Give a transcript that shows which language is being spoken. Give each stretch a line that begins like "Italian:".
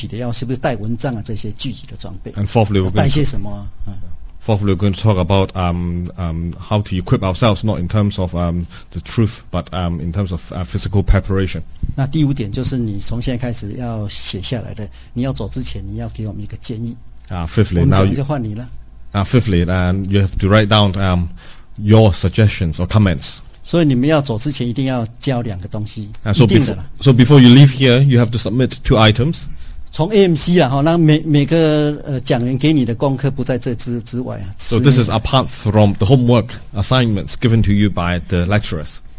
Chinese: 你的装备，这装备不是属灵装备，而是具体的，要是不是带蚊帐啊？这些具体的装备。
English: And fourthly, we're going to, fourthly, we're going to talk about how to equip ourselves, not in terms of the truth, but in terms of physical preparation.
Chinese: 那第五点就是你从现在开始要写下来的，你要走之前，你要给我们一个建议。
English: Fifthly, now fifthly, you have to write down your suggestions or comments.
Chinese: 所以你们要走之前一定要交两个东西,
English: so before you leave here, you have to submit two items.
Chinese: 从AMC啦,那每个讲员给你的功课不在这之外。
English: So this is apart from the homework assignments given to you by the lecturers.